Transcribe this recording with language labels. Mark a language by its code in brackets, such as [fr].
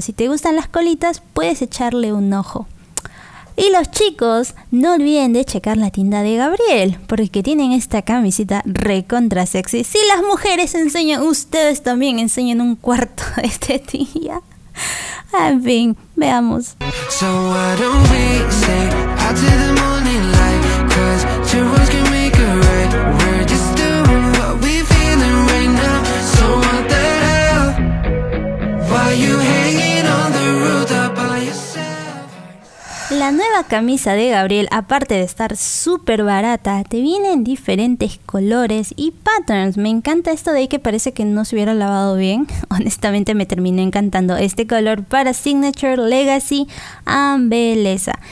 [es] Si te gustan las colitas, puedes echarle un ojo. Y los chicos, no olviden de checar la tienda de Gabriel, porque tienen esta camisita recontra sexy. Si las mujeres enseñan, ustedes también enseñan un cuarto de este día. En fin, veamos. [en] So why don't we stay out to the morning light, 'cause two words can make a right. We're just doing what we feeling right now. So what the hell? Why you hanging on the roof up by yourself? [es] La nueva camisa de Gabriel, aparte de estar súper barata, te viene en diferentes colores y patterns. Me encanta esto de ahí que parece que no se hubiera lavado bien. Honestamente me terminó encantando este color para Signature Legacy Ambeleza.